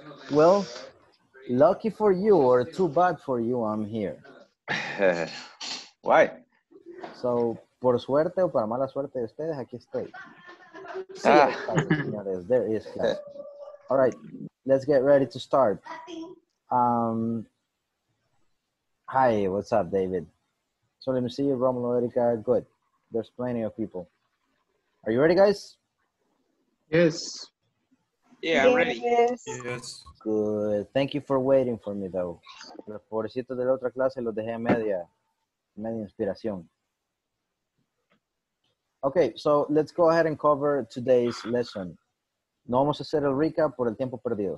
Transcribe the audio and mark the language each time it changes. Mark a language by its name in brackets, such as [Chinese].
[English] Well, lucky for you or too bad for you, I'm here. Why? So, [Spanish] por suerte o para mala suerte de ustedes, aquí estoy. Sí, ah. [English] There is class. All right, let's get ready to start. Hi, what's up, David? So let me see you, Romulo, Erika. Good. There's plenty of people. Are you ready, guys? Yes. Yeah, I'm ready. Yes. Good. Thank you for waiting for me, though. [Spanish] Los pobrecitos de la otra clase los dejé a media inspiración. Okay, so let's go ahead and cover today's lesson. No vamos a hacer el recap por el tiempo perdido.